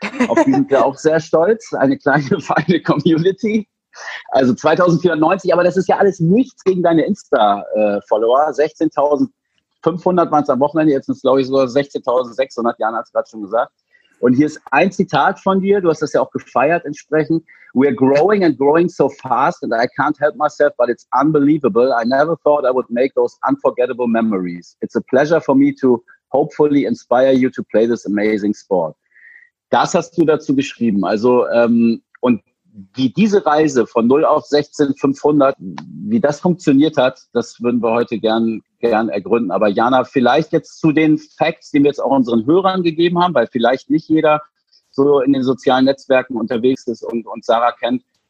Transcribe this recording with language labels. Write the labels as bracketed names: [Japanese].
[German] Auf die sind wir auch sehr stolz, eine kleine, feine Community. Also 2490, aber das ist ja alles nichts gegen deine Insta-Follower. 16.500 waren es am Wochenende, jetzt sind es glaube ich sogar 16.600, Jan hat es gerade schon gesagt. Und hier ist ein Zitat von dir, du hast das ja auch gefeiert entsprechend. [English] We are growing and growing so fast and I can't help myself, but it's unbelievable. I never thought I would make those unforgettable memories. It's a pleasure for me to hopefully inspire you to play this amazing sport. [German] Das hast du dazu geschrieben. Also und wie diese Reise von 0 auf 16.500, wie das funktioniert hat, das würden wir heute gern ergründen. Aber Jana, vielleicht jetzt zu den Facts, die wir jetzt auch unseren Hörern gegeben haben, weil vielleicht nicht jeder so in den sozialen Netzwerken unterwegs ist und Sarah kennt.